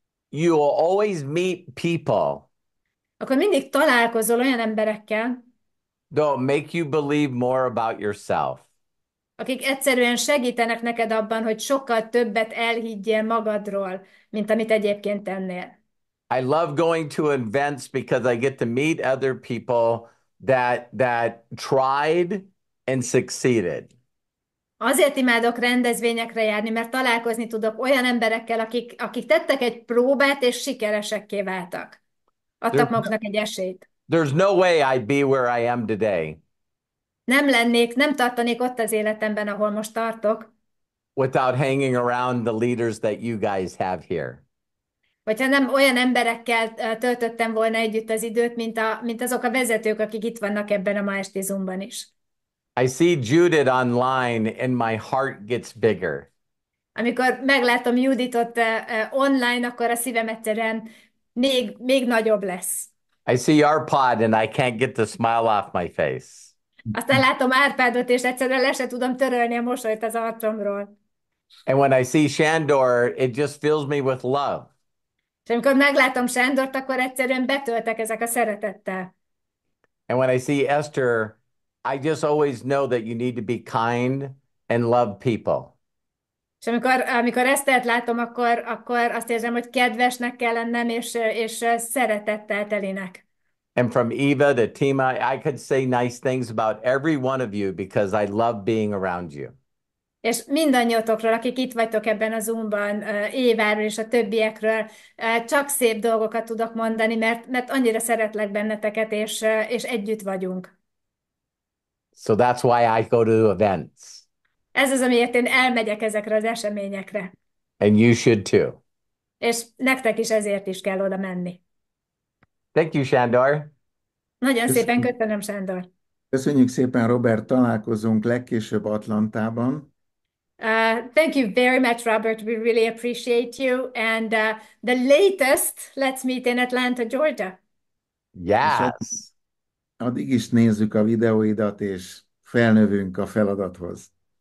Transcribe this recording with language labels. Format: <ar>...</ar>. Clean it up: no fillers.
<en>you will always meet people.</en> <hu>Akkor mindig találkozol olyan emberekkel.</hu> <en>They'll make you believe more about yourself.</en> <hu>Akik egyszerűen segítenek neked abban, hogy sokkal többet elhiggyél magadról, mint amit egyébként tennél.</hu> <en>I love going to events because I get to meet other people that tried and succeeded.</en> <hu>Azért imádok rendezvényekre járni, mert találkozni tudok olyan emberekkel, akik tettek egy próbát, és sikeresekké váltak. Adtak maguknak egy esélyt.</hu> <en>There's no way I'd be where I am today</en> <hu>Nem tartanék ott az életemben, ahol most tartok.</hu> <en>without hanging around the leaders that you guys have here.</en> <hu>Hogyha nem olyan emberekkel töltöttem volna együtt az időt, mint azok a vezetők, akik itt vannak ebben a ma esti Zoomban is.</hu> <en>I see Judith online and my heart gets bigger.</en> <hu>Amikor meglátom Juditot online, akkor a szívem egyszerűen még nagyobb lesz.</hu> <en>I see your pod and I can't get the smile off my face.</en> <hu>Aztán látom Árpádot, és egyszerűen le se tudom törölni a mosolyt az arcomról.</hu> <en>And when I see Shandor, it just fills me with love.</en> <hu>És amikor meglátom Sándort, akkor egyszerűen betöltek ezek a szeretettel.</hu> <en>And when I see Esther, I just always know that you need to be kind and love people.</en> <hu>És amikor Esztert látom, akkor azt érzem, hogy kedvesnek kell lennem, és szeretettel telinek.</hu> <en>And from Eva to Tima, I could say nice things about every one of you because I love being around you.</en> <hu>És mindannyiótokról, akik itt vagytok ebben a Zoomban, Éváról és a többiekről, csak szép dolgokat tudok mondani, mert annyira szeretlek benneteket, és együtt vagyunk.</hu> <en>So that's why I go to events.</en> <hu>Ez az, amiért én elmegyek ezekre az eseményekre.</hu> <en>And you should too.</en> <hu>És nektek is ezért is kell oda menni.</hu> <en>Thank you, Shandor.</en> <hu>Nagyon szépen köszönöm, Sándor. Köszönjük szépen, Robert. Találkozunk legkésőbb Atlantában.</hu> <en>Thank you very much, Robert. We really appreciate you. And the latest, let's meet in Atlanta, Georgia. Yes.</en> <hu>Addig is nézzük a videóidat, és felnövünk a feladathoz.</hu>